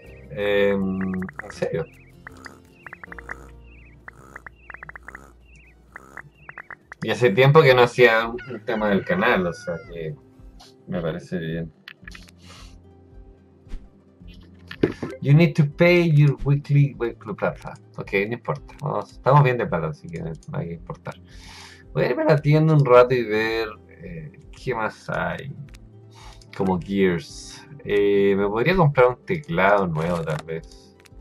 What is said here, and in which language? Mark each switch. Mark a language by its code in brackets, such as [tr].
[es] En serio. Y hace tiempo que no hacía un tema del canal, o sea que me parece bien. [en] You need to pay your weekly web club plata. [es] Ok, no importa. Estamos bien de plata, así que no hay que importar. Voy a irme a la tienda un rato y ver qué más hay. Como Gears. Me podría comprar un teclado nuevo, tal vez.